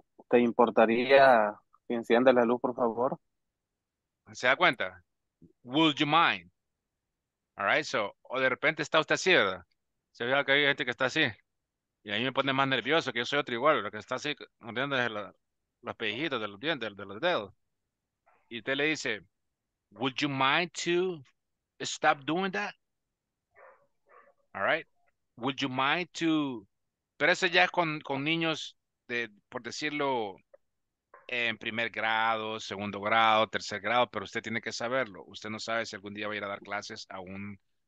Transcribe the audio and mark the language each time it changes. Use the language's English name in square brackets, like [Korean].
[Spanish] ¿Te importaría que encienda la luz, por favor? ¿Se da cuenta? [English] Would you mind? All right, so, [Spanish] o de repente está usted así, ¿verdad? Se ve que hay gente que está así. Y ahí me pone más nervioso, que yo soy otro igual, lo que está así, mordiendo los pellejitos de los dientes, de los dedos. Y usted le dice, [English] would you mind to stop doing that? All right. Would you mind to... [Spanish] Pero eso ya es con niños de, por decirlo, en primer grado, segundo grado, tercer grado, pero usted tiene que saberlo. Usted no sabe si algún día va a ir a dar clases a un